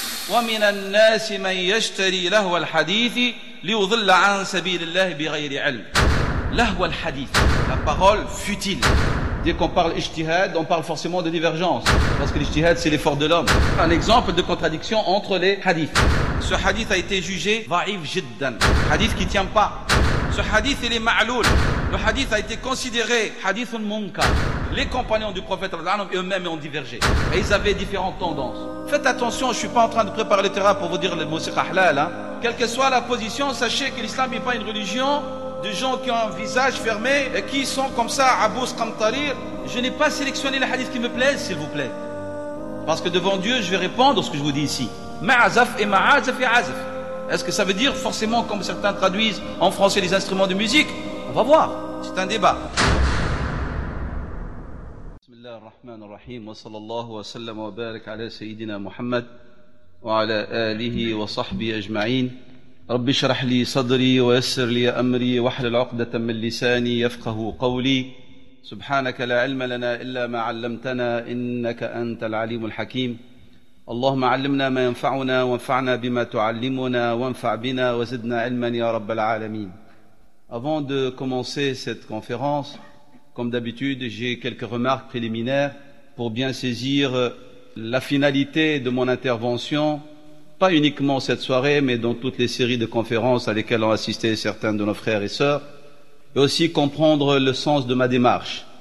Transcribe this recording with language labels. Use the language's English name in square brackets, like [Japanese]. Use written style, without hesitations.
[Arabic] ومن الناس من يشتري لهو الحديث ليضل عن سبيل الله بغير علم. لهو الحديث, [French] la parole futile. Dès qu'on parle ijtihad, on parle forcément de divergence, parce que l'ijtihad c'est l'effort de l'homme. Un exemple de contradiction entre les hadiths. Ce hadith a été jugé va'if jiddan, hadith qui ne tient pas. Ce hadith il est ma'loul, le hadith a été considéré hadith munka. Les compagnons du prophète eux-mêmes ont divergé et ils avaient différentes tendances. Faites attention, je ne suis pas en train de préparer le terrain pour vous dire le mot halal. Hein. Quelle que soit la position, sachez que l'islam n'est pas une religion de gens qui ont un visage fermé et qui sont comme ça, Abous Qamtarir. Je n'ai pas sélectionné les hadiths qui me plaisent, s'il vous plaît. Parce que devant Dieu, je vais répondre ce que je vous dis ici. Ma'azaf et ma'azaf et azaf. Est-ce que ça veut dire forcément, comme certains traduisent en français les instruments de musique? On va voir, c'est un débat. [Arabic] الرحمن الرحيم وصلى الله وسلم وبارك على سيدنا محمد وعلى آله وصحبه أجمعين رب اشرح لي صدري ويسر لي أمري واحلل عقدة من لساني يفقه قولي سبحانك لا علم لنا إلا ما علمتنا إنك أنت العليم الحكيم اللهم علمنا ما ينفعنا وانفعنا بما تعلمنا وانفع بنا وزدنا علما يا رب العالمين. [French] Avant de commencer cette conférence, comme d'habitude, j'ai quelques remarques préliminaires pour bien saisir la finalité de mon intervention, pas uniquement cette soirée, mais dans toutes les séries de conférences à lesquelles ont assisté certains de nos frères et sœurs, et aussi comprendre le sens de ma démarche.